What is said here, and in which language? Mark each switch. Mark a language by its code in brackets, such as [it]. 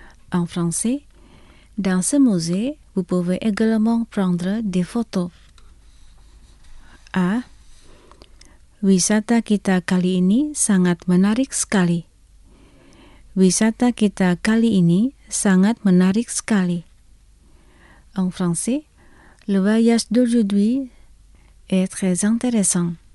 [fr] En français, dans ce musée, vous pouvez également prendre des photos. A. [id] Wisata kita kali ini sangat menarik sekali. [fr] En français, le voyage d'aujourd'hui est très intéressant.